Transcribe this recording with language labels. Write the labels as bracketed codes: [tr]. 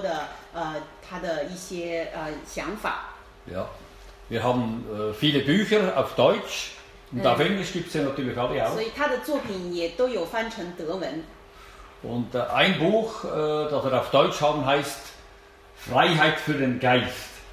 [zh] 然后在他信主的过程中，他发表了很多的他的一些想法。 [de] Ja, wir haben viele Bücher auf Deutsch und auf Englisch gibt es natürlich alle auch. [zh] 所以他的作品也都有翻成德文。 [de] Und ein Buch, das wir auf Deutsch haben, heißt Freiheit für den Geist.